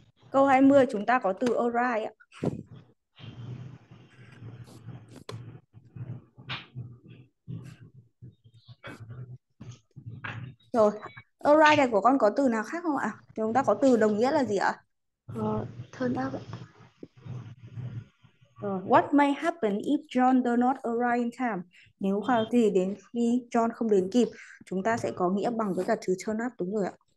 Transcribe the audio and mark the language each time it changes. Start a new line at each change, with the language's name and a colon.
Vietnamese: Câu 20 chúng ta có từ arrive ạ. Rồi, arrive này của con có từ nào khác không ạ? Chúng ta có từ đồng nghĩa là gì ạ?
English: Turn up. What may happen if John does not arrive in time?
Vietnamese: Nếu sao thì đến khi John không đến kịp, chúng ta sẽ có nghĩa bằng với cả từ turn up, đúng rồi ạ.